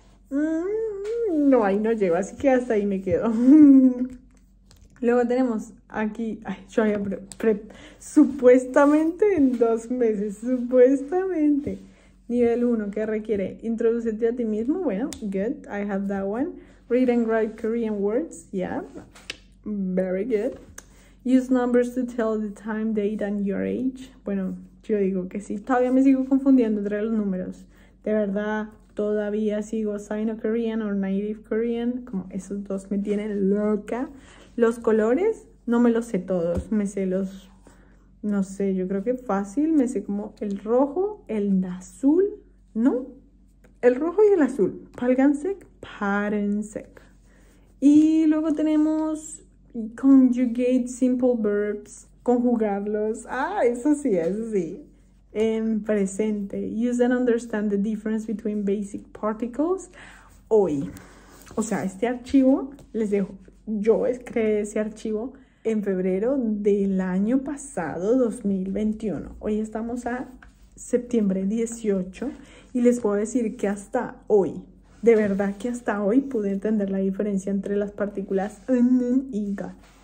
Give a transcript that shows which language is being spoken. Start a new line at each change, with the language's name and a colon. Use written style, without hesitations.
Spanish: No, ahí no llego, así que hasta ahí me quedo. Luego tenemos aquí, ay, yo había supuestamente en 2 meses, supuestamente. Nivel 1, ¿qué requiere? Introducirte a ti mismo. Bueno,
English: good, I have that one. Read and write Korean words. Yeah, very good. Use numbers to tell the time, date and your age.
Spanish: Bueno, yo digo que sí. Todavía me sigo confundiendo entre los números. De verdad, todavía sigo Sino-Korean o Native-Korean. Como esos dos me tienen loca. Los colores, no me los sé todos. Me sé los, no sé, yo creo que fácil. Me sé como el rojo, el azul, ¿no? El rojo y el azul.
Korean: Pálgansek, párensek.
Spanish: Y luego tenemos
English: conjugate simple verbs.
Spanish: Conjugarlos. Ah, eso sí, eso sí. En presente.
English: Use and understand the difference between basic particles.
Spanish: Hoy. O sea, este archivo les dejo. Yo creé ese archivo en febrero del año pasado, 2021. Hoy estamos a septiembre 18 y les puedo decir que hasta hoy, de verdad que hasta hoy, pude entender la diferencia entre las partículas en y ga.